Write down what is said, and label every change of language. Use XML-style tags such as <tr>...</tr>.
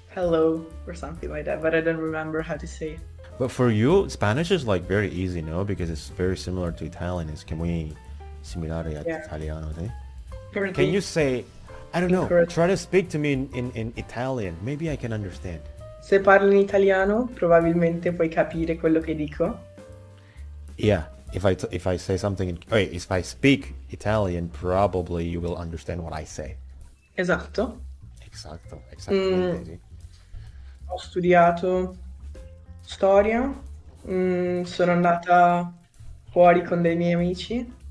<en>hello or something like that, but I don't remember how to say. But for you, Spanish is like very easy, no? Because it's very similar to Italian. It's can we</en> <it>similare a italiano,</it> <en>eh? Can you say, I don't know, try to speak to me in Italian. Maybe I can understand.</en> <it>Se parlo in italiano, probabilmente puoi capire quello che dico.</it> <en>Yeah, if I say something, if I speak Italian, probably you will understand what I say.</en> <it>Esatto. Esatto, esattamente. Ho studiato storia, sono andata fuori con dei miei amici.</it>